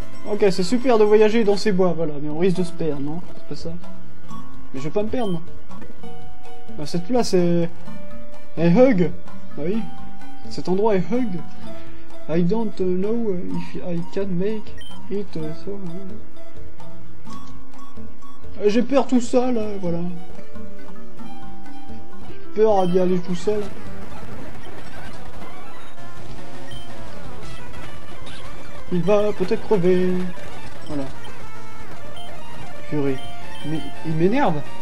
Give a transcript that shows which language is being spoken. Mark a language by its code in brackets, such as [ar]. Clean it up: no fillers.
[fr] Ok, c'est super de voyager dans ces bois, voilà, mais on risque de se perdre, non? C'est pas ça? Mais je vais pas me perdre, moi. Bah, cette place est... Est hug! Bah oui, cet endroit est hug. [en] I don't know if I can make it so... [fr] J'ai peur tout seul, voilà. Peur d'y aller tout seul. Il va peut-être crever. Voilà. Purée. Mais il m'énerve.